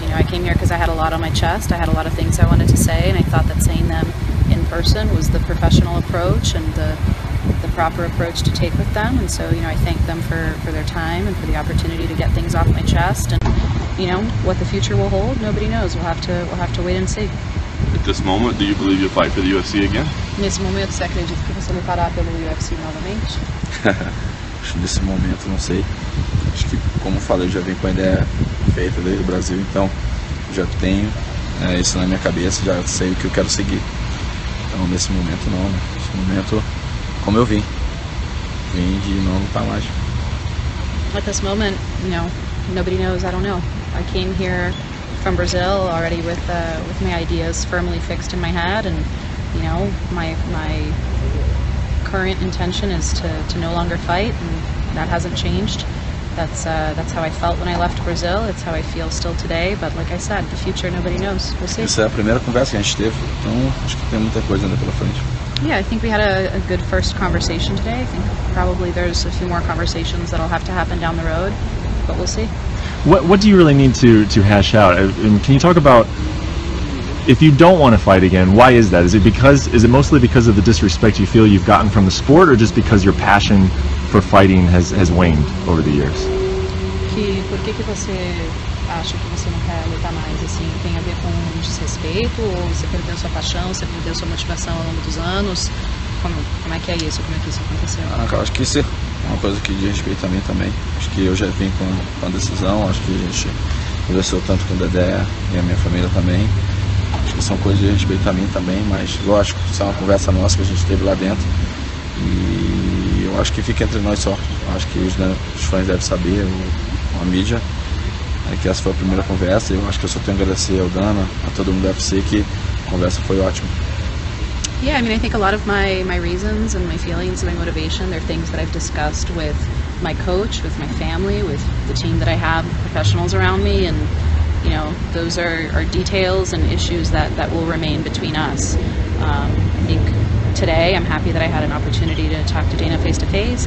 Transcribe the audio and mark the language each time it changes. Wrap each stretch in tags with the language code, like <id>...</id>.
<en>You know, I came here because I had a lot on my chest. I had a lot of things I wanted to say, and I thought that saying them in person was the professional approach and the proper approach to take with them. And so, you know, I thank them for their time and for the opportunity to get things off my chest. And you know, what the future will hold, nobody knows. We'll have to wait and see. At this moment, do you believe you'll fight for the UFC again?</en> <pt>Nesse momento, você acredita que você lutará pelo UFC novamente? Nesse momento, não sei. Acho que, como falei, já vim com a ideia feita desde o Brasil, então já tenho isso na minha cabeça, já sei o que eu quero seguir. Então, nesse momento, não. Nesse momento, como eu vim. Vim de não lutar mais.</pt> <en>At this moment, no. Nobody knows, I don't know. I came here from Brazil already with my ideas firmly fixed in my head, and, you know, my current intention is to no longer fight, and that hasn't changed. That's how I felt when I left Brazil. It's how I feel still today. But like I said, the future nobody knows. We'll see.</en> <pt>Essa é a primeira conversa que a gente teve, então acho que tem muita coisa ainda pela frente.</pt> <en>Yeah, I think we had a good first conversation today. I think probably there's a few more conversations that'll have to happen down the road, but we'll see. What do you really need to hash out? And can you talk about, if you don't want to fight again, why is that? Is it mostly because of the disrespect you feel you've gotten from the sport, or just because your passion for fighting has waned over the years?</en> <pt>Por que você acha que você não quer lutar mais? Assim, tem a ver com desrespeito, ou você perdeu sua paixão, você perdeu sua motivação ao longo dos anos? Como é que é isso? Como é que isso aconteceu? Ah, cara, acho que isso é uma coisa que diz respeito a mim também. Acho que eu já vim com a decisão, acho que a gente conversou tanto com o Dedé e a minha família também. Acho que são coisas de respeito a mim também, mas lógico, isso é uma conversa nossa que a gente teve lá dentro. E eu acho que fica entre nós só. Acho que os fãs devem saber, ou a mídia, que essa foi a primeira conversa. E eu acho que eu só tenho a agradecer ao Dana, a todo mundo da UFC, que a conversa foi ótima.</pt> <en>Yeah, I mean, I think a lot of my reasons and my feelings and my motivation, they're things that I've discussed with my coach, with my family, with the team that I have, professionals around me, and you know, those are details and issues that will remain between us. I think today I'm happy that I had an opportunity to talk to Dana face to face.</en>